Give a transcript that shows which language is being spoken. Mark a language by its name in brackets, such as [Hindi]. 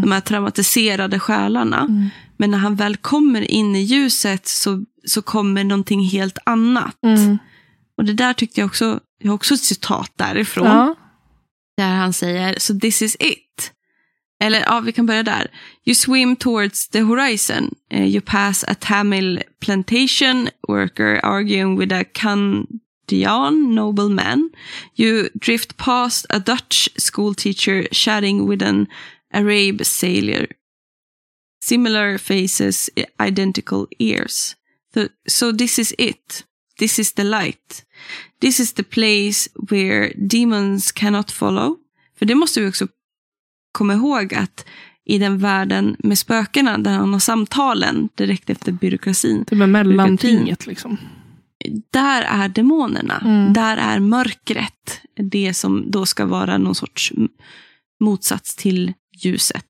[Swedish] de här traumatiserade själarna. Mm. Men när han väl kommer in i ljuset så kommer någonting helt annat. Mm. Och det där tyckte jag också, jag har också ett citat därifrån. Ja. Där han säger, [English] so this is it. [Swedish] Eller ja, vi kan börja där. [English] You swim towards the horizon. You pass a Tamil plantation worker arguing with a Kandyan nobleman. You drift past a Dutch school teacher chatting with an Arab sailor. Similar faces, identical ears. So this is it. This is the light. This is the place where demons cannot follow. [Swedish] För det måste vi också komma ihåg, att i den världen med spökena, där han har samtalen direkt efter byråkrasin. Det med mellantinget liksom. Där är demonerna. Mm. Där är mörkret. Det som då ska vara någon sorts motsats till ljuset.